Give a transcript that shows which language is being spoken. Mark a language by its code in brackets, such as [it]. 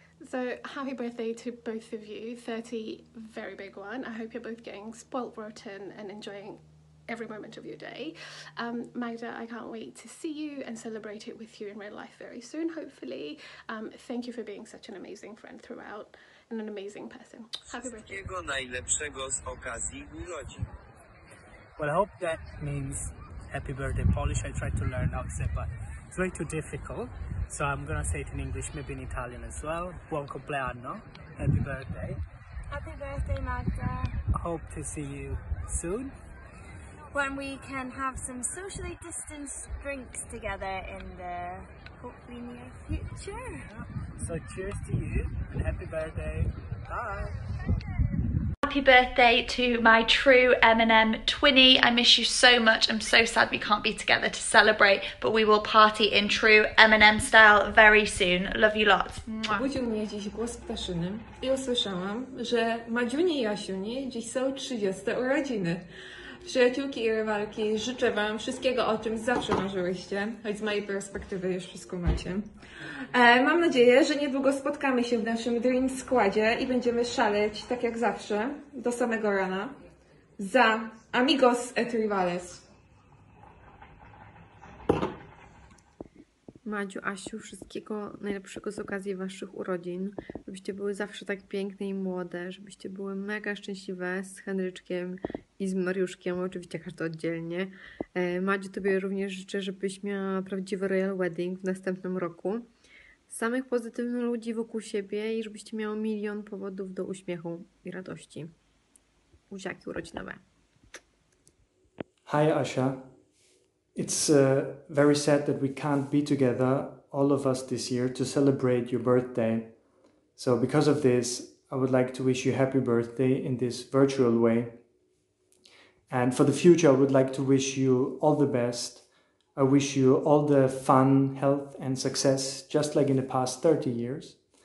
[en] So, happy birthday to both of you. 30, very big one. I hope you're both getting spoilt rotten and enjoying every moment of your day. Magda, I can't wait to see you and celebrate it with you in real life very soon, hopefully. Thank you for being such an amazing friend throughout and an amazing person. Happy birthday. [pl] Wszystkiego najlepszego z okazji urodzin. [en] Well, I hope that means happy birthday Polish. I tried to learn how to say, but it's way too difficult. So I'm gonna say it in English, maybe in Italian as well. [it] Buon compleanno. [en] Happy birthday. Happy birthday, Magda. Hope to see you soon. When we can have some socially distanced drinks together in the hopefully near future. So cheers to you and happy birthday. Bye. Happy birthday to my true M&M twinny. I miss you so much. I'm so sad we can't be together to celebrate, but we will party in true M&M style very soon. Love you lots. [pl] Obudził mnie dziś głos ptaszyny i usłyszałam, że Madziuni i Asiuni dziś są 30 urodziny. Przyjaciółki i rywalki, życzę wam wszystkiego, o czym zawsze marzyłyście, choć z mojej perspektywy już wszystko macie. Mam nadzieję, że niedługo spotkamy się w naszym Dream Składzie i będziemy szaleć, tak jak zawsze, do samego rana. Za Amigos et Rivales. Madziu, Asiu, wszystkiego najlepszego z okazji waszych urodzin. Żebyście były zawsze tak piękne i młode, żebyście były mega szczęśliwe z Henryczkiem i z Mariuszkiem, oczywiście każdy oddzielnie. Madziu, tobie również życzę, żebyś miała prawdziwy royal wedding w następnym roku. Samych pozytywnych ludzi wokół siebie i żebyście miały milion powodów do uśmiechu i radości. Buziaki urodzinowe. [en] Hi, Asia. It's very sad that we can't be together, all of us, this year to celebrate your birthday. So because of this, I would like to wish you happy birthday in this virtual way. And for the future, I would like to wish you all the best. I wish you all the fun, health and success, just like in the past 30 years.